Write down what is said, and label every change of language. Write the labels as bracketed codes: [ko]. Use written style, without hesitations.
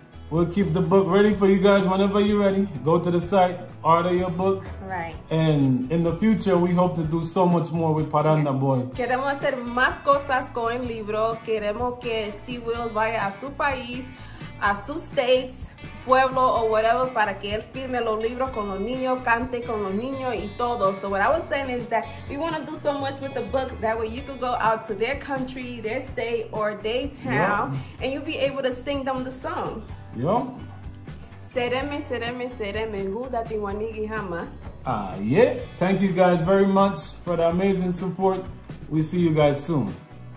[en] We'll keep the book ready for you guys whenever you're ready. Go to the site, order your book. Right. And in the future, we hope to do so much more with Paranda Boy. [es] Queremos hacer más cosas con el libro. Queremos que Sea Wills vaya a su país, a sus states, pueblo, [en] or whatever, [es] para que él firme los libros con los niños, cante con los niños y todo. [en] So what I was saying is that we want to do so much with the book. That way you could go out to their country, their state, or their town, and you'll be able to sing them the song. Thank you guys very much for the amazing support. We see you guys soon.